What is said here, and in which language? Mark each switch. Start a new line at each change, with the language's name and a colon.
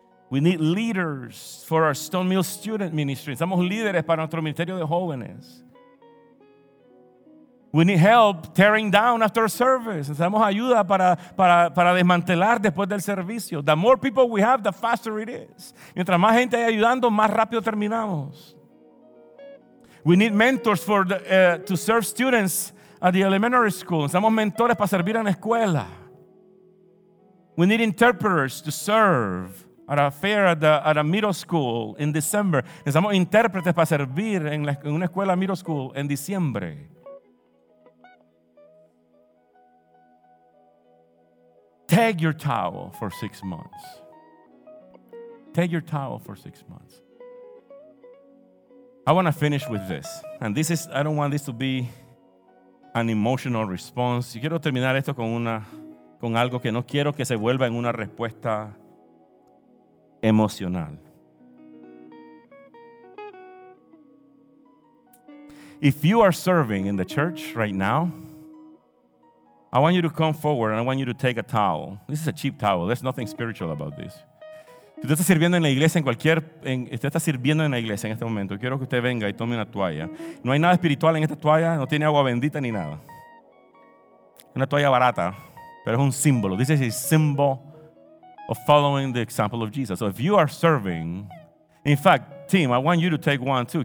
English: We need leaders for our Stone Mill Student Ministry.
Spanish: Necesitamos líderes para nuestro ministerio de jóvenes.
English: We need help tearing down after service.
Spanish: Necesitamos ayuda para desmantelar después del servicio.
English: The more people we have, the faster it is.
Spanish: Mientras más gente hay ayudando, más rápido terminamos.
English: We need mentors for to serve students at the elementary school.
Spanish: Necesitamos mentores para servir en la escuela.
English: We need interpreters to serve at a fair at a middle school in December.
Spanish: Necesitamos intérpretes para servir en una escuela middle school en diciembre.
English: Take your towel for 6 months. Take your towel for 6 months. I want to finish with this. And this is, I don't want this to be an emotional response.
Spanish: Yo quiero terminar esto con algo que no quiero que se vuelva en una respuesta emocional.
English: If you are serving in the church right now, I want you to come forward and I want you to take a towel. This is a cheap towel. There's nothing spiritual about this.
Spanish: Si usted está sirviendo en la iglesia en este momento, quiero que usted venga y tome una toalla. No hay nada espiritual en esta toalla, no tiene agua bendita ni nada. Una toalla barata, pero es un símbolo.
English: This is a symbol of following the example of Jesus. So if you are serving, in fact, team, I want you to take one too.